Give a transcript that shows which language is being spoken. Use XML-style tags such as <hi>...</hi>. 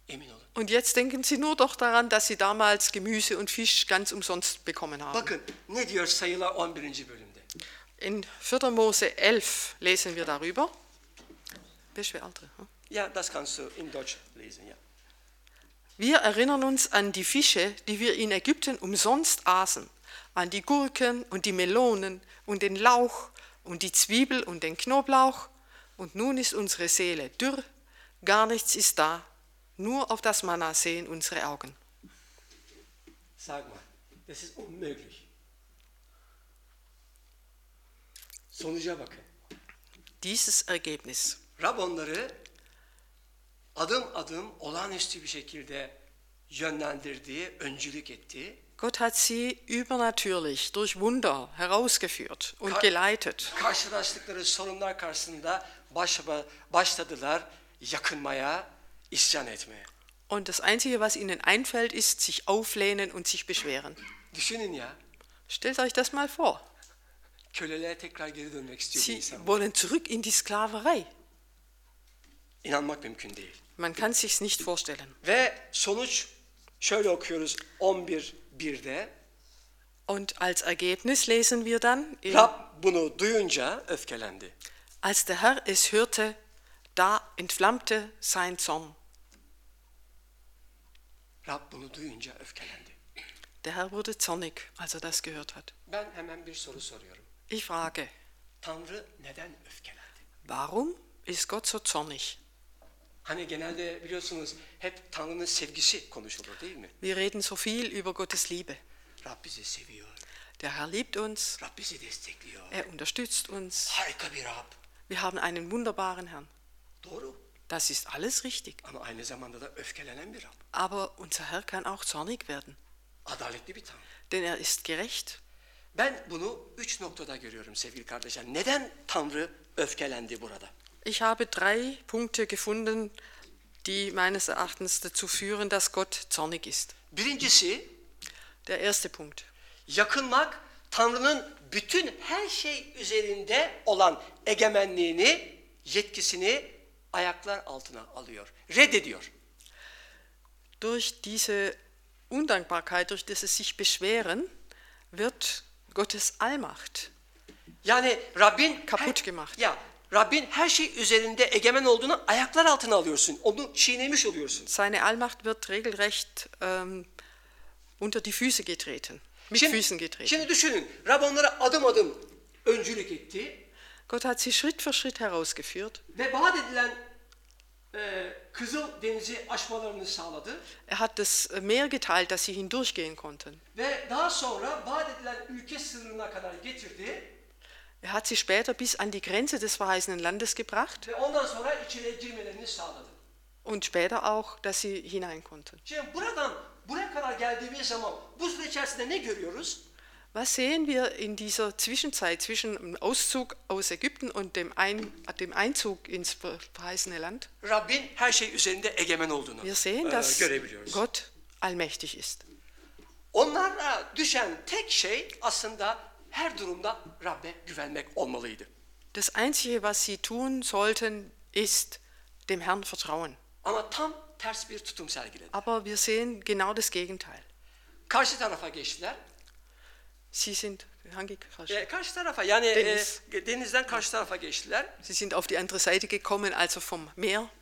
<tr>Emin olun.</tr> <de>Und jetzt denken Sie nur doch daran, dass Sie damals Gemüse und Fisch ganz umsonst bekommen haben.</de> <tr>Bakın, ne diyor Sayılar 11. bölümde?</tr> <de>In 4. Mose 11 lesen wir darüber. Wer schwer alter? Ja, das kannst du in Deutsch lesen, ja. Wir erinnern uns an die Fische, die wir in Ägypten umsonst aßen, an die Gurken und die Melonen und den Lauch und die Zwiebel und den Knoblauch. Und nun ist unsere Seele dürr, gar nichts ist da, nur auf das Manna sehen unsere Augen. Sag mal, das ist unmöglich.</de> <tr>Sonuca bakın.</tr> <de>Dieses Ergebnis.</de> <tr>Rab onları adım adım olağanüstü bir şekilde yönlendirdiği, öncülük ettiği.</tr> <de>Gott hat sie übernatürlich durch Wunder herausgeführt und geleitet.</de> <tr>Karşılaştıkları sorunlar karşısında başladılar yakınmaya, isyan etmeye.</tr> <de>Und das Einzige, was ihnen einfällt, ist sich auflehnen und sich beschweren.</de> <tr>Düşünün ya.</tr> <de>Stellt euch das mal vor.</de> <tr>Köleliğe tekrar geri dönmek istiyor sie insan.</tr> <de>Sie wollen zurück in die Sklaverei.</de> <tr>İnanmak mümkün değil.</tr> <de>Man kann sich's nicht vorstellen.</de> <tr>Ve sonuç şöyle okuyoruz 11:1'de.</tr> <de>Und als Ergebnis lesen wir dann.</de> <tr>Rab bunu duyunca öfkelendi.</tr> <de>Als der Herr es hörte, da entflammte sein Zorn.</de> <tr>Rab bunu duyunca öfkelendi.</tr> <de>Der Herr wurde zornig, als er das gehört hat.</de> <tr>Ben hemen bir soru soruyorum.</tr> <de>Ich frage.</de> <tr>Tanrı neden öfkelendi?</tr> <de>Warum ist Gott so zornig?</de> <tr>Hani genelde biliyorsunuz hep Tanrı'nın sevgisi konuşulur değil mi?</tr> <de>Wir reden so viel über Gottes Liebe.</de> <tr>Rab bizi seviyor.</tr> <de>Der Herr liebt uns.</de> <tr>Rab bizi destekliyor.</tr> <de>Er unterstützt uns.</de> <tr>Harika bir Rab.</tr> <de>Wir haben einen wunderbaren Herrn.</de> <tr>Doğru.</tr> <de>Das ist alles richtig.</de> <tr>Ama aynı zamanda da öfkelenen bir Rab.</tr> <de>Aber unser Herr kann auch zornig werden.</de> <tr>Adaletli bir Tanrı.</tr> <de>Denn er ist gerecht.</de> <tr>Ben bunu üç noktada görüyorum sevgili kardeşler. Neden Tanrı öfkelendi burada?</tr> <de>Ich habe drei Punkte gefunden, die meines Erachtens dazu führen, dass Gott zornig ist.</de> <tr>Birincisi,</tr> <de>der erste Punkt.</de> <tr>Yakınmak, Tanrı'nın bütün her şey üzerinde olan egemenliğini, yetkisini ayaklar altına alıyor, reddediyor.</tr> <de>Durch diese Undankbarkeit, durch dieses sich beschweren, wird Gottes Allmacht</de> <tr>yani Rabbin</tr> <de>kaputt gemacht. Ja.</de> <tr>Rabbin her şey üzerinde egemen olduğunu ayaklar altına alıyorsun. Onu çiğnemiş oluyorsun.</tr> <de>Seine Allmacht wird regelrecht unter die Füße getreten.</de> <tr>Şimdi düşünün. Rab onlara adım adım öncülük etti.</tr> <de>Gott hat sie Schritt für Schritt herausgeführt.</de> <tr>Ve vaat edilen Kızıl Denizi aşmalarını sağladı.</tr> <de>Er hat das Meer geteilt, dass sie hindurchgehen konnten.</de> <tr>Ve daha sonra vaat edilen ülke sınırına kadar getirdi.</tr> <de>Er hat sie später bis an die Grenze des verheißenen Landes gebracht.</de> <tr>Ondan sonra içine girmelerini sağladı.</tr> <de>Und später auch, dass sie hinein konnten.</de> <tr>Şimdi buradan buraya kadar geldiğimiz zaman bu süre içerisinde ne görüyoruz?</tr> <de>Was sehen wir in dieser Zwischenzeit zwischen dem Auszug aus Ägypten und dem Einzug ins verheißene Land?</de> <tr>Rabbin her şey üzerinde egemen olduğunu.</tr> <de>Wir sehen, dass Gott allmächtig ist.</de> <tr>Onlara düşen tek şey aslında her durumda Rab'be güvenmek olmalıydı.</tr> <de>Das einzige was sie tun sollten ist dem Herrn vertrauen.</de> <tr>Ama tam ters bir tutum sergiledi.</tr> <de>Aber wir sehen genau das Gegenteil.</de> <tr>Karşı tarafa geçtiler.</tr> <de>Sie sind</de> <tr>hangi karşı? Karşı tarafa, yani denizden karşı tarafa geçtiler.</tr> <de>Sie sind auf die andere Seite gekommen, also vom Meer.</de>